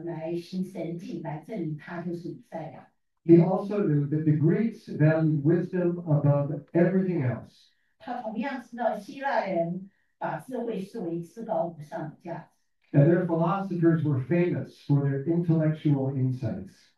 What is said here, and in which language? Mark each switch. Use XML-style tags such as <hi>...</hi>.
<zh>他也知道法利赛人曾经要求耶稣基督来行神迹，来证明他就是弥赛亚。</zh> <en>He also knew that the Greeks valued wisdom above everything else.</en> <zh>他同样知道希腊人把智慧视为至高无上的价值。</zh> <en>And their philosophers were famous for their intellectual insights.</en>